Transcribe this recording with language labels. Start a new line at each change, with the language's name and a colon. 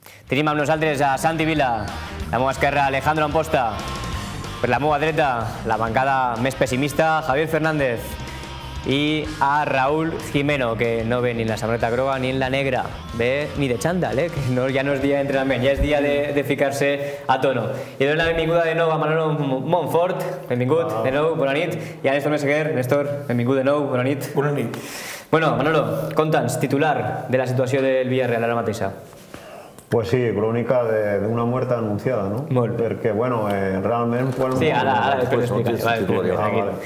Catalan: Tenim amb nosaltres a Santi Vila, la meva esquerra Alejandro Amposta, per la meva dreta la bancada més pessimista Javier Fernández i a Raúl Jimeno, que no ve ni en la samarreta groga ni en la negra, ve ni de xandall, que ja no és dia d'entrenament, ja és dia de ficar-se a tono. I donem la benvinguda de nou a Manolo Monfort, benvingut de nou, bona nit, i a Néstor Meseguer, Néstor, benvingut de nou, bona nit. Bona nit. Bueno, Manolo, conta'ns, titular de la situació del Villarreal ara mateixa.
Spanish: Pues sí, crónica de una muerte anunciada, ¿no?
Catalan: Molt. Perquè, bueno, realment... Sí, ara després l'explicaré.